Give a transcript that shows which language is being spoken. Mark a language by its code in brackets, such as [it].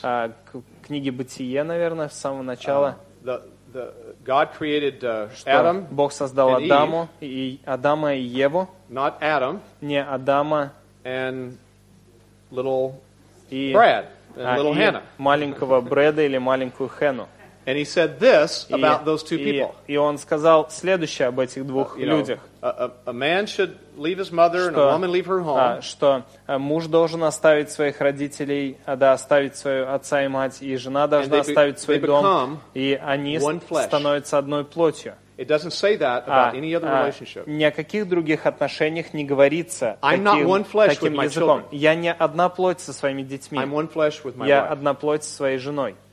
[ru] К книге Бытие, наверное, с самого начала. [en] God created Adam. [ru] Бог создал Адама и Адама и Еву. [en] Not Adam. [ru] Не Адама. [en] And little Brad and little Hannah. [ru] Маленького Брэда или маленькую Хэну. [en] And he said this about those two people. [ru] И он сказал следующее об этих двух людях. [en] A man should leave his mother and a woman leave her home. [ru] Что муж должен оставить своих родителей, да, оставить свою отца и мать, и жена должна оставить свой дом, и они становятся одной плотью. [en] It doesn't say that about any other relationship. [ru] Ни о каких других отношениях не говорится таким языком. Я не одна плоть со своими детьми. [en] I'm one flesh with my wife. [ru] Я одна плоть со своей женой.